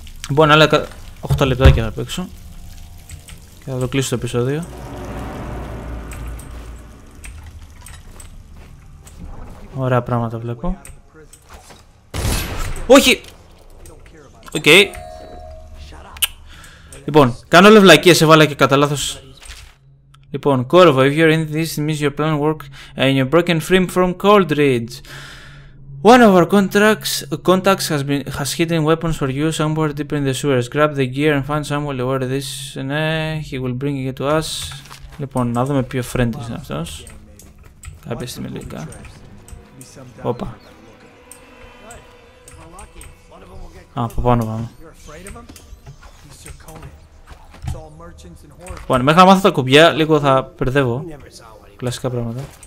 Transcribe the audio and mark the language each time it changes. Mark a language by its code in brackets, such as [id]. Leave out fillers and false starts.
[el] Μπορεί να λέω 8 λεπτάκια να παίξω. Και θα το κλείσω το επεισόδιο. Ωραία πράγματα βλέπω. Όχι! Οκ. Λοιπόν, κάνω όλες βλακίες, έβαλα και κατά λάθος. Λοιπόν, [en] Corvo, if you're in this, it means your plan work and you're broken free from Cold Ridge. One of our contacts has hidden weapons for you somewhere deep in the sewers. Grab the gear and find someone where this is. Ναι, he will bring it to us. [el] Λοιπόν, να δούμε ποιο friend είναι αυτός. Κάποια στιγμή λίγα. Όπα. Α, από πάνω πάμε. Λοιπόν, μέχρι να μάθω τα κουμπιά, λίγο θα μπερδεύω. Κλασικά πράγματα.